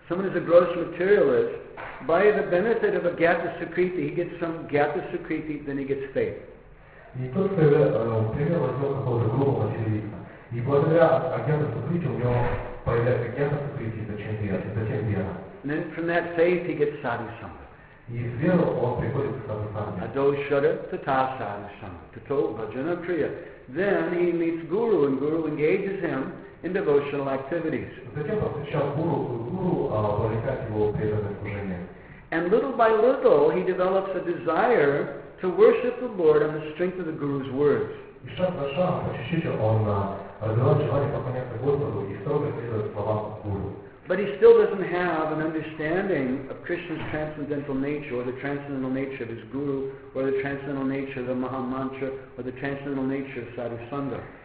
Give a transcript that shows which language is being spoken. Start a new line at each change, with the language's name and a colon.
English: Someone is a gross materialist, by the benefit of a Gata Sukriti, he gets some Gata Sukriti, then he gets faith.
Russian: И тот, кто пример возьмет какого-то грубого материализма. И благодаря Агьяна Сукрити у него появляется Агьяна Сукрити, зачем вера, зачем вера.
English: And then from that faith he gets Sadhu Sangha.
Russian: И из веры он приходит к Sadhu Sangha.
Sanskrit: Ado Shuddha Tata Sadhu Sangha. Tato Bhajana Kriya.
English: Then he meets Guru and Guru engages him in devotional activities.
Russian: Затем посвящал Гуру, Гуру вовлекает его в преданное служение.
English: And little by little he develops a desire to worship the Lord on the strength of the Guru's words.
Russian: И шаг за шагом, по чуть-чуть, он развивает желание поклоняться Господу и строго следует словам Гуру.
English: But he still doesn't have an understanding of Krishna's transcendental nature, or the transcendental nature of his guru, or the transcendental nature of the Maha Mantra, or the transcendental nature of Sadhu Sangha.